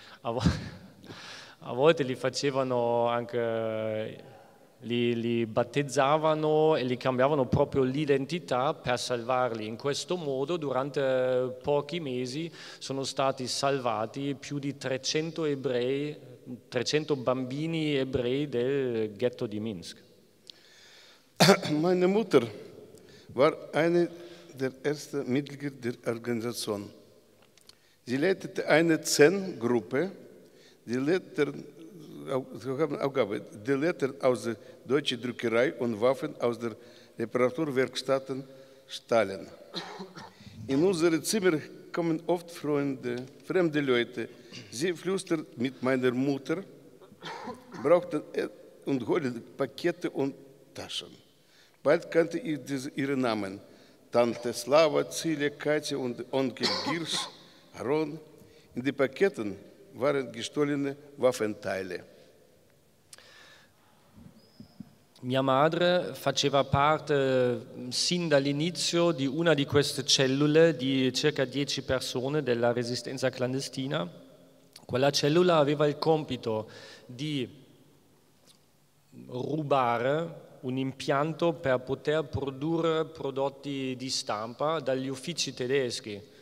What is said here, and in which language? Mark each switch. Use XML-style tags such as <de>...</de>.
<it>A volte li facevano anche, li battezzavano e li cambiavano proprio l'identità per salvarli. In questo modo, durante pochi mesi, sono stati salvati più di 300 ebrei, 300 bambini ebrei del ghetto di Minsk.</it> <de>Meine Mutter war eine der ersten Mitglieder der Organisation. Sie leitete eine 10-Gruppe, die Lettern aus der deutschen Druckerei und Waffen aus der Reparaturwerkstatt Stalin. In unsere Zimmer kommen oft Freunde, fremde Leute. Sie flüstern mit meiner Mutter, brauchten und holen Pakete und Taschen. Bald kannte ich ihre Namen: Tante Slava, Zilia, Katja und Onkel Girsch, Aaron. In den Paketen waren gestohlene Waffenteile.</de> <it>Mia madre faceva parte sin dall'inizio di una di queste cellule di circa 10 persone della resistenza clandestina. Quella cellula aveva il compito di rubare un impianto per poter produrre prodotti di stampa dagli uffici tedeschi</it>